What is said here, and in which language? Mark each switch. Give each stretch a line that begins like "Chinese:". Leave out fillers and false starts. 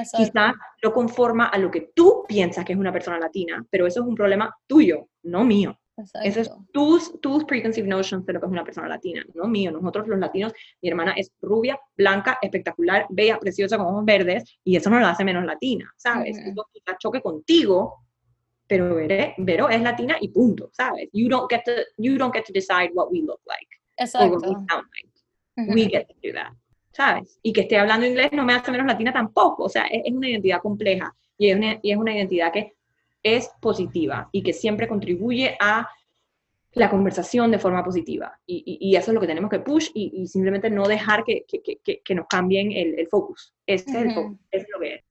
Spanish: Quizás no conforma a lo que tú piensas que es una persona latina, pero eso es un problema tuyo, no mío. Exacto. Eso es tus
English: preconceived notions
Spanish: de lo que es una persona latina, no mío. Nosotros los latinos, mi hermana es rubia, blanca, espectacular, bella, preciosa, con ojos verdes, y eso no la hace menos latina, ¿sabes? Uh-huh. Eso choque contigo, pero Vero es latina y punto, ¿sabes?
English: You don't get to decide what we look like.
Spanish: Exacto.
English: Or what we sound like. Uh-huh. We get to do that.
Spanish: ¿Sabes? Y que esté hablando inglés no me hace menos latina tampoco, o sea, es una identidad compleja, y es una identidad que es positiva, y que siempre contribuye a la conversación de forma positiva, y eso es lo que tenemos que push, y simplemente no dejar que nos cambien el focus, ese es el focus, es lo que es.